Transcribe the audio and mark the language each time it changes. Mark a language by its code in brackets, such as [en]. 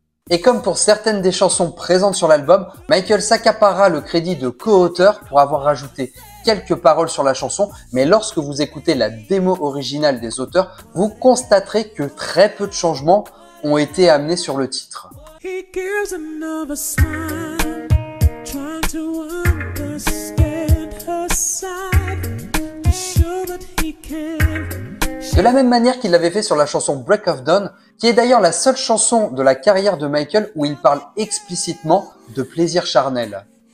[fr] Et comme pour certaines des chansons présentes sur l'album, Michael s'accapara le crédit de co-auteur pour avoir rajouté quelques paroles sur la chanson, mais lorsque vous écoutez la démo originale des auteurs, vous constaterez que très peu de changements ont été amenés sur le titre. [en] He gives another smile, trying to understand her side, to show that he can. [fr] De la même manière qu'il l'avait fait sur la chanson Break of Dawn, qui est d'ailleurs la seule chanson de la carrière de Michael où il parle explicitement de plaisir charnel.